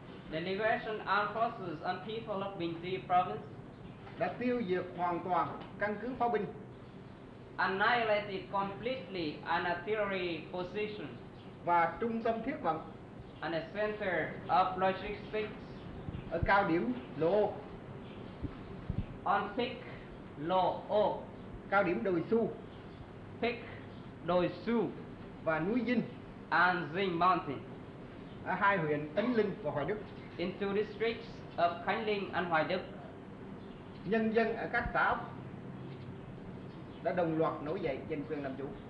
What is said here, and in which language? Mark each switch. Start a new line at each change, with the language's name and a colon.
English: The Liberation Armed Forces and people of Bình Tuy province.
Vietnamese: Đã tiêu diệt hoàn toàn căn cứ pháo binh.
English: Annihilated completely an artillery position.
Vietnamese: Và trung tâm thiết vận.
English: And the center of logistics.
Vietnamese: Ở cao điểm Lô.
English: On peak Lô Ô.
Vietnamese: Cao điểm đồi Su,
English: peak đồi Su
Vietnamese: và núi Dinh,
English: and Dinh Mountain,
Vietnamese: ở hai huyện Khánh Linh và Hoài Đức,
English: in two districts of Khánh Linh and Hoài Đức,
Vietnamese: nhân dân ở các xã đã đồng loạt nổi dậy giành quyền làm chủ.